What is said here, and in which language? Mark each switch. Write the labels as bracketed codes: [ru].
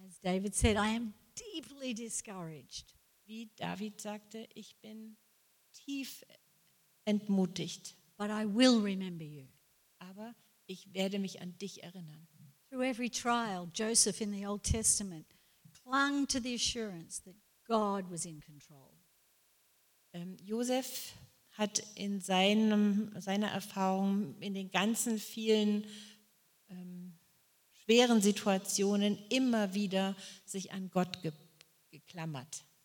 [en] As David said, I am deeply discouraged. [de] Wie David sagte, ich bin tief entmutigt. [en] But I will remember you. [de] Aber ich werde mich an dich erinnern. [en] Through every trial, Joseph in the Old Testament clung to the assurance that God was in control. [de] Josef hat in seiner Erfahrung in den ganzen vielen schweren Situationen immer wieder sich an Gott geklammert.